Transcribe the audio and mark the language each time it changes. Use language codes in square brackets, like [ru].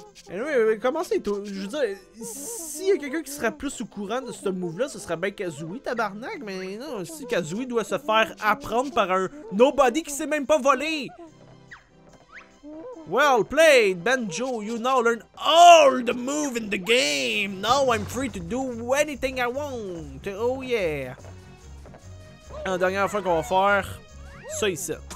[fr] Anyway, comment c'est tout? Je veux dire, s'il y a quelqu'un qui serait plus au courant de ce move-là, ce serait bien Kazooie, tabarnak. Mais non, si Kazooie doit se faire apprendre par un nobody qui sait même pas voler. [en] Well played, Banjo. You now learn all the moves in the game. Now I'm free to do anything I want. Oh yeah. [fr] Une dernière fois qu'on va faire ça ici.